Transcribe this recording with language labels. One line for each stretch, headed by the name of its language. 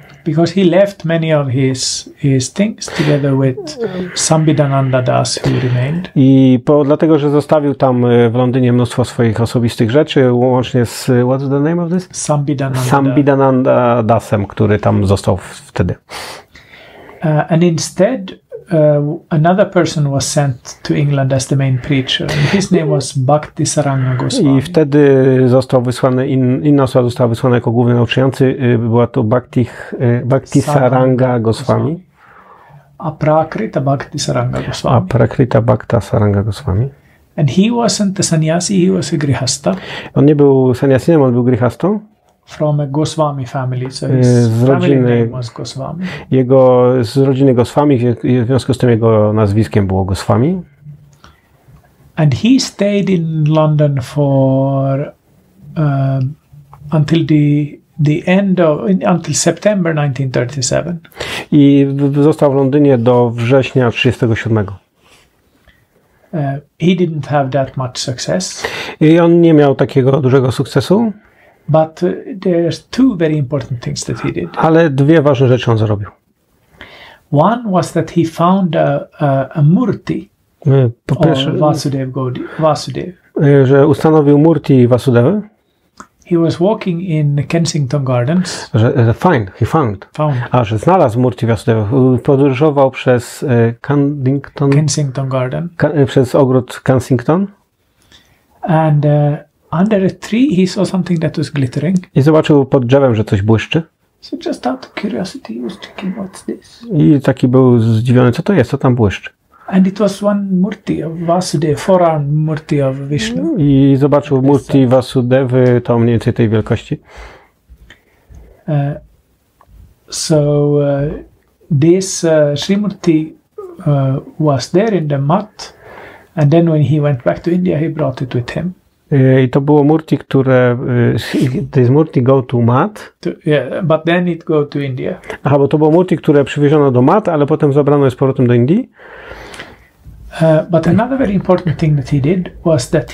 English: Because he left many of his things together with Sambidananda Das, who remained.
Polish: I dlatego, że zostawił tam w Londynie mnóstwo swoich osobistych rzeczy, łącznie z
English: what's the name of this?
Polish: Sambidananda Dasem, który tam został wtedy.
English: And instead, another person was sent to England as the main preacher. And his name was Bhaktisaranga Goswami.
Polish: I wtedy został wysłany inna osoba została wysłana jako główny nauczający. Była to Bhaktisaranga Goswami.
English: Aprakrita Bhaktisaranga Goswami.
Polish: Aprakrita Bhaktisaranga Goswami.
English: And he wasn't a sannyasi, he was a grihasta.
Polish: On nie był sannyasinem, on był grihastą.
English: From a Goswami family, so his
Polish: rodziny,
English: family name was Goswami.
Polish: Jego z rodziny Goswami, w związku z tym jego nazwiskiem było Goswami.
English: And he stayed in London for until the end of until September 1937.
Polish: I został w Londynie do września 37.
English: He didn't have that much success.
Polish: I on nie miał takiego dużego sukcesu.
English: But there's two very important things that he did.
Polish: Ale dwie ważne rzeczy on zrobił.
English: One was that he found a murti of Vasudev.
Polish: Że ustanowił murti Vasudevy.
English: He was walking in Kensington Gardens. Found.
Polish: A, że znalazł murti Vasudevy. Podróżował przez Kensington.
English: Kensington Garden.
Polish: Przez ogród Kensington.
English: And under a tree he saw something that was glittering.
Polish: I zobaczył pod drzewem, że coś błyszczy.
English: So just out of curiosity he was checking what's this.
Polish: I taki był zdziwiony, co to jest, co tam błyszczy.
English: And it was one murti of Vasudeva, four-arm murti of Vishnu.
Polish: I zobaczył murti Vasudevy, to mniej więcej tej wielkości.
English: So this Shrimurti was there in the mat, and then when he went back to India, he brought it with him.
Polish: I to było murti, które
English: this murti go to mat.
Polish: To,
English: yeah, but then it go to India.
Polish: Aha, bo to było murti, które przywieziono do mat, ale potem zabrano je z powrotem do Indii.
English: But another very important thing that he did was that